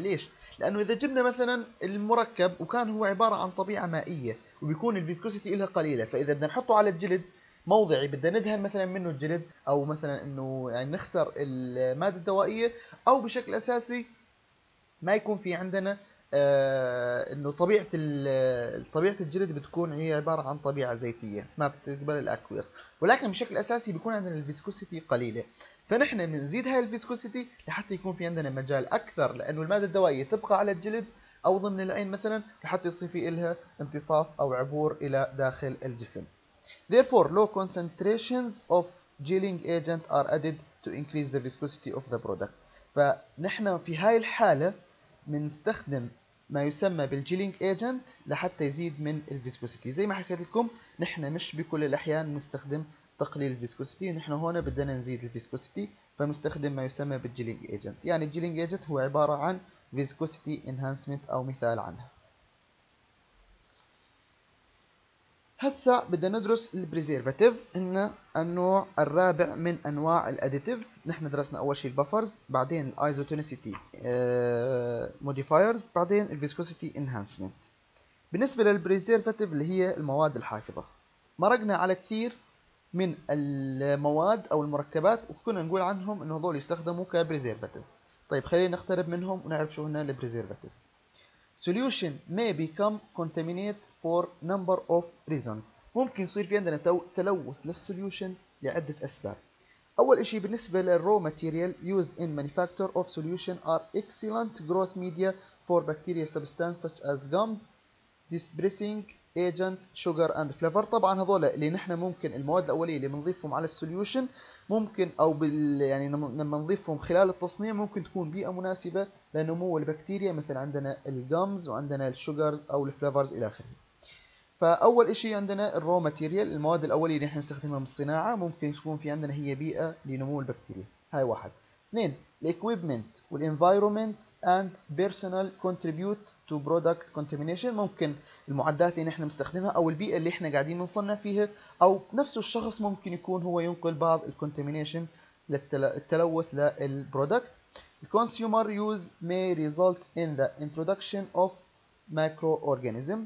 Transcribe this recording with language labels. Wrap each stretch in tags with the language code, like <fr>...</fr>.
<ar>ليش؟ لانه اذا جبنا مثلا المركب وكان هو عبارة عن طبيعة مائية وبيكون الفيسكوسيتي لها قليلة، فاذا بدنا نحطه على الجلد موضعي بدنا ندهن مثلا منه الجلد او مثلا انه يعني نخسر الماده الدوائيه، او بشكل اساسي ما يكون في عندنا انه طبيعه الجلد بتكون هي عباره عن طبيعه زيتيه ما بتقبل الاكويس، ولكن بشكل اساسي بيكون عندنا الفيسكوسيتي قليله. فنحن بنزيد هاي الفيسكوسيتي لحتى يكون في عندنا مجال اكثر لانه الماده الدوائيه تبقى على الجلد او ضمن العين مثلا لحتى يصير في لها امتصاص او عبور الى داخل الجسم.</ar> <en>Therefore low concentrations of gelling agent are added to increase the viscosity of the product.</en> <ar>فنحن في هاي الحاله بنستخدم ما يسمى بالجيلينج ايجنت لحتى يزيد من الفيسكوسيتي. زي ما حكيت لكم نحن مش بكل الاحيان نستخدم تقليل الفيسكوسيتي، نحن هنا بدنا نزيد الفيسكوسيتي فمستخدم ما يسمى بالجيلينج ايجنت. يعني الجيلينج ايجنت هو عبارة عن فيسكوسيتي انهانسمنت او مثال عنها. هسا بدنا ندرس البريزيرفاتيف، هنا النوع الرابع من انواع الاديتيف. نحن درسنا اول شيء البافرز، بعدين الايزوتونيسيتي موديفايرز، بعدين الفيسكوسيتي انهانسمنت. بالنسبه للبريزيرفاتيف اللي هي المواد الحافظه، مرقنا على كثير من المواد او المركبات وكنا نقول عنهم انه هذول يستخدموا كبريزيرفاتيف. طيب خلينا نقترب منهم ونعرف شو هنا البريزيرفاتيف.</ar> <en>Solution may become contaminated for number of reasons.</en> <ar>ممكن يصير في عندنا تلوث للسوليوشن لعدة أسباب. أول إشي بالنسبة للرو ماتيريال</ar> <en>used in manufacture of solution are excellent growth media for bacteria substance such as gums, dispersing agent, sugar and flavor.</en> <ar>طبعا هذول اللي نحن ممكن المواد الأولية اللي بنضيفهم على السوليوشن ممكن أو يعني لما نضيفهم خلال التصنيع ممكن تكون بيئة مناسبة لنمو البكتيريا، مثل عندنا الجمز وعندنا الشوجرز أو الفلافرز إلى آخره. فأول إشي عندنا الرو ماتيريال، المواد الأولية اللي نحن نستخدمها من الصناعة ممكن تكون في عندنا هي بيئة لنمو البكتيريا. هاي واحد.</ar> <en>اثنين، الإكويبمنت والإنفايرومنت and personal contribute to product contamination.</en> <ar>ممكن المعدات اللي نحن مستخدمها أو البيئة اللي احنا قاعدين نصنع فيها أو نفس الشخص ممكن يكون هو ينقل بعض الcontamination للتلوث للبرودكت.</ar> <en>Consumer use may result in the introduction of microorganism.</en>